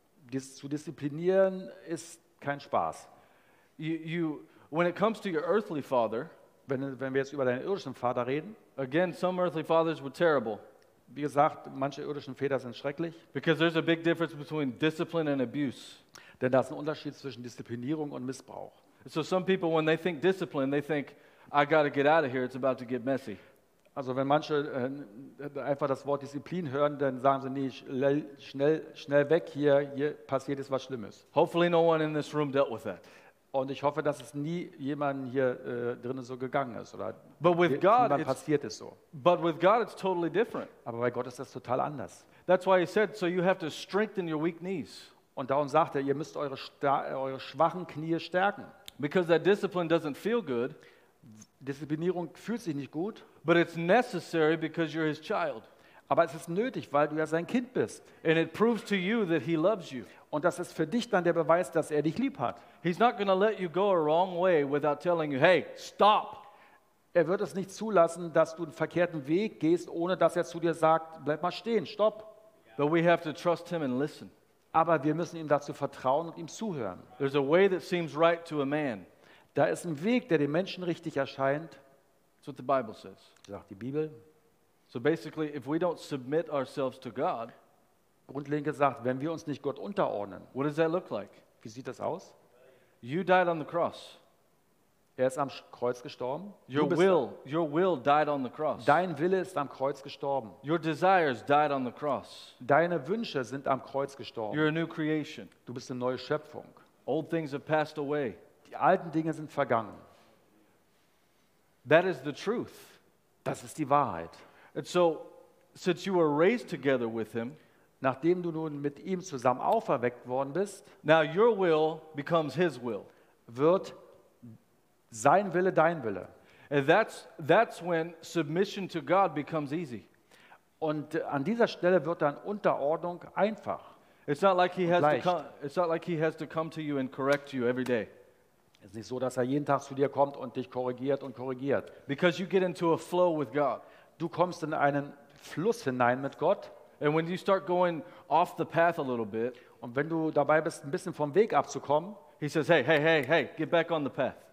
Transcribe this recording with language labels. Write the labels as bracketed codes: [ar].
[de] Zu disziplinieren ist kein Spaß. [en] You when it comes to your earthly father, [de] wenn wir jetzt über deinen irdischen Vater reden, [en] again some earthly fathers were terrible. [de] Wie gesagt, manche irdischen Väter sind schrecklich. [en] Because there's a big difference between discipline and abuse. [de] Denn da ist ein Unterschied zwischen Disziplinierung und Missbrauch. [en] So some people, when they think discipline, they think, I got to get out of here, it's about to get messy. [de] Also wenn manche einfach das Wort Disziplin hören, dann sagen sie, nee, schnell weg hier, hier passiert jetzt was Schlimmes. [en] Hopefully no one in this room dealt with that. [de] Und ich hoffe, dass es nie jemand hier drinnen so gegangen ist. Oder [en] but with God, [de] niemand passiert es so. [en] But with God, it's totally different. [de] Aber bei Gott ist das total anders. [en] That's why he said, so you have to strengthen your weak knees. [de] Und darum sagt er, ihr müsst eure schwachen Knie stärken. [en] Because that discipline doesn't feel good. [de] Disziplinierung fühlt sich nicht gut. [en] But it's necessary because you're his child. [de] Aber es ist nötig, weil du ja sein Kind bist. [en] And it proves to you that he loves you. [de] Und das ist für dich dann der Beweis, dass er dich lieb hat. [en] He's not going to let you go a wrong way without telling you, hey, stop. [de] Er wird es nicht zulassen, dass du einen verkehrten Weg gehst, ohne dass er zu dir sagt, bleib mal stehen, stopp. [en] But we have to trust him and listen. [de] Aber wir müssen ihm dazu vertrauen und ihm zuhören. [en] There's a way that seems right to a man. [de] Da ist ein Weg, der dem Menschen richtig erscheint. [en] That's what the Bible says. [de] Sagt die Bibel. [en] So basically, if we don't submit ourselves to God, [de] grundlegend gesagt, wenn wir uns nicht Gott unterordnen, [en] what does that look like? [de] Wie sieht das aus? [en] You died on the cross. [de] Er ist am Kreuz gestorben. [en] Your will died on the cross. [de] Dein Wille ist am Kreuz gestorben. [en] Your desires died on the cross. [de] Deine Wünsche sind am Kreuz gestorben. [en] You're a new creation. [de] Du bist eine neue Schöpfung. [en] Old things have passed away. [de] Die alten Dinge sind vergangen. [en] That is the truth. [de] Das ist die Wahrheit. [en] And so, since you were raised together with him, [de] nachdem du nun mit ihm zusammen auferweckt worden bist, [en] now your will becomes his will. [de] Wird sein Wille dein Wille. [en] And that's when submission to God becomes easy. [de] Und an dieser Stelle wird dann Unterordnung einfach. [en] It's not like he has to come. It's not like he has to come to you and correct you every day. [de] Es ist nicht so, dass er jeden Tag zu dir kommt und dich korrigiert und korrigiert. [en] Because you get into a flow with God. [de] Du kommst in einen Fluss hinein mit Gott. [en] And when you start going off the path a little bit, [de] und wenn du dabei bist, ein bisschen vom Weg abzukommen, [en] he says, hey, get back on the path.